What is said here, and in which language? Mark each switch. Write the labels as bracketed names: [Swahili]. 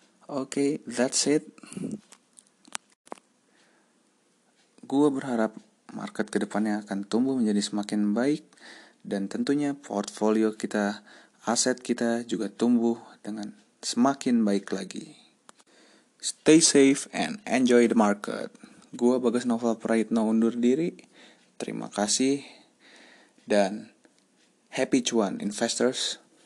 [English] Oke, that's it. [Indonesian] Gua berharap market kedepannya akan tumbuh menjadi semakin baik, dan tentunya portfolio kita, aset kita juga tumbuh dengan semakin baik lagi. [English] Stay safe and enjoy the market. [Indonesian] Gua Bagas Novel Praitno undur diri. Terima kasih dan [English] happy cuan, investors.